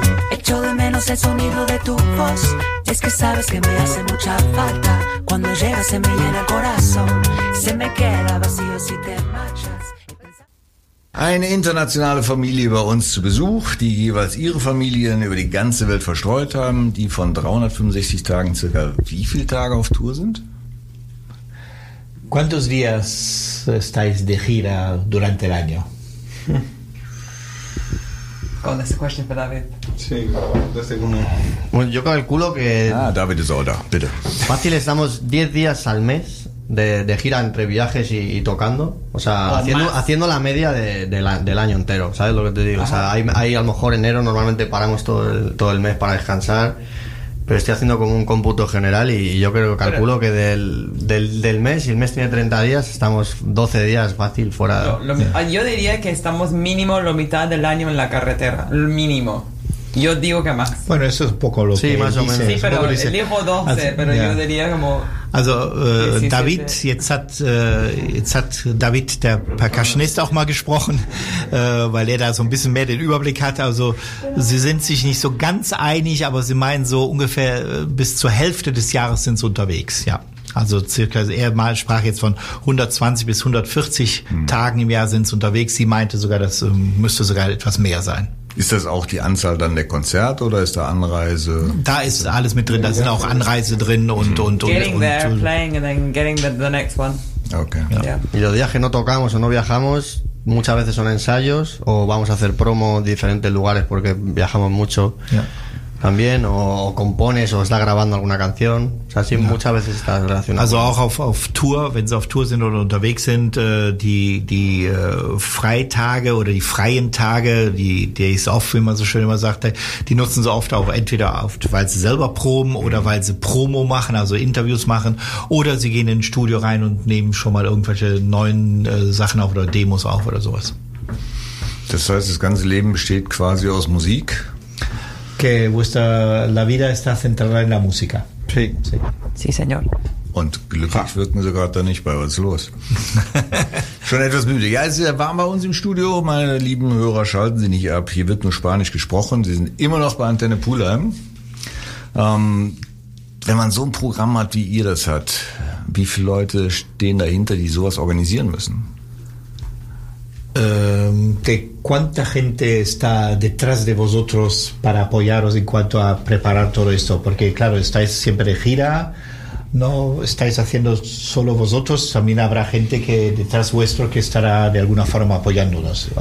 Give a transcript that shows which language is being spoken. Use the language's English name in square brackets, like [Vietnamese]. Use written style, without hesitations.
[Spanish] Echo de menos el sonido de tu voz. Es que sabes que me hace mucha falta. Cuando llegas se me llena el corazón. Se me queda vacío si te marchas. [German] Eine internationale Familie bei uns zu Besuch, die jeweils ihre Familien über die ganze Welt verstreut haben, die von 365 Tagen circa wie viele Tage auf Tour sind? [Spanish] ¿Cuántos días estáis de gira durante el año? [English] Oh, that's a question for David. [German] Sí, das ist [Spanish] uno. Yo calculo que... [German] Ah, David ist auch da, bitte. [Spanish] Fácil, estamos 10 días al mes. De gira entre viajes y tocando, o sea, haciendo la media del año entero, ¿sabes lo que te digo? Ajá. O sea, hay a lo mejor enero, normalmente paramos todo el mes para descansar, pero estoy haciendo como un cómputo general y yo creo que calculo que del mes, si el mes tiene 30 días, estamos 12 días fácil fuera. Yo diría que estamos mínimo la mitad del año en la carretera, mínimo. Yo digo que más. Bueno, eso es un poco lo sí, que sí, más o dice. Menos. Sí, pero elijo 12, así, pero yeah. Yo diría como... [German] Also David, jetzt hat David, der Percussionist, auch mal gesprochen, weil er da so ein bisschen mehr den Überblick hat. Also sie sind sich nicht so ganz einig, aber sie meinen so ungefähr bis zur Hälfte des Jahres sind sie unterwegs, ja. Also circa, er mal sprach jetzt von 120 bis 140 Tagen im Jahr sind sie unterwegs. Sie meinte sogar, das müsste sogar etwas mehr sein. Ist das auch die Anzahl dann der Konzerte oder ist da Anreise? Da ist alles mit drin, da sind auch Anreise drin und [English] getting there, playing and then getting the next one. Okay. [Spanish] Y los días que no tocamos o no viajamos, muchas veces son ensayos o vamos a hacer promo en diferentes lugares porque viajamos mucho. También o compones o está grabando alguna canción, o sea, sí, ja. Muchas veces está relacionado. [German] Also auch auf Tour, wenn sie auf Tour sind oder unterwegs sind, die Freitage oder die freien Tage, die ist oft, wie man so schön immer sagt, die nutzen sie oft auch entweder oft, weil sie selber proben oder weil sie Promo machen, also Interviews machen, oder sie gehen ins Studio rein und nehmen schon mal irgendwelche neuen Sachen auf oder Demos auf oder sowas. Das heißt, das ganze Leben besteht quasi aus Musik. [Spanish] Que vuestra la vida está centrada en la música. Sí. Sí, sí señor. [German] Und glücklich wirken sie gerade da nicht bei, was ist los? Schon etwas müde. Ja, es ist warm bei uns im Studio, meine lieben Hörer, schalten Sie nicht ab. Hier wird nur Spanisch gesprochen. Sie sind immer noch bei Antenne Pulheim. Wenn man so ein Programm hat, wie ihr das hat, wie viele Leute stehen dahinter, die sowas organisieren müssen? [Spanish] Que cuánta gente está detrás de vosotros para apoyaros en cuanto a preparar todo esto, porque claro, estáis siempre de gira, no estáis haciendo solo vosotros, también habrá gente que detrás vuestro que estará de alguna forma apoyándonos.